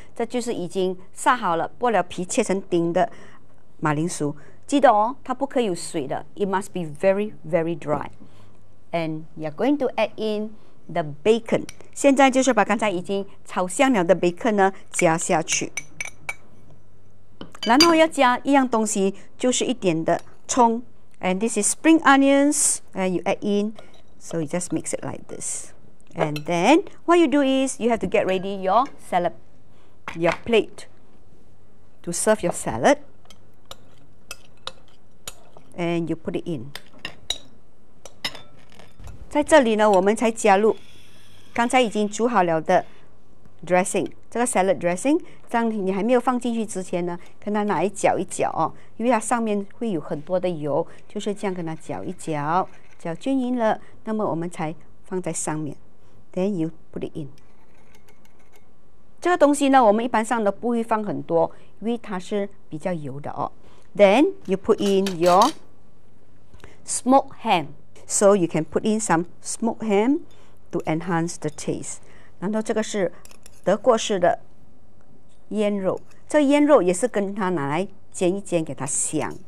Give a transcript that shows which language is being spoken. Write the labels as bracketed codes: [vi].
[zh] 这就是已经杀好了，剥了皮切成丁的马铃薯。记得哦，它不可以有水的。 [en] It must be very, very dry. And you're going to add in the bacon. 现在就是把刚才已经炒香了的 bacon 呢加下去。然后要加一样东西，就是一点的葱。 And this is spring onions. And you add in. So you just mix it like this. And then what you do is you have to get ready your salad, your plate to serve your salad. And you put it in. [zh] 在这里呢，我们才加入刚才已经煮好了的 dressing, 这个 salad dressing, 当你还没有放进去之前呢，跟它拿来搅一搅哦，因为它上面会有很多的油，就是这样跟它搅一搅，搅均匀了，那么我们才放在上面。 Then you put it in. 这个东西呢，我们一般上都不会放很多，因为它是比较油的哦。 [en] Then you put in your smoked ham. So you can put in some smoked ham to enhance the taste. [zh] 然后这个是德国式的腌肉，这腌肉也是跟它拿来煎一煎给它香。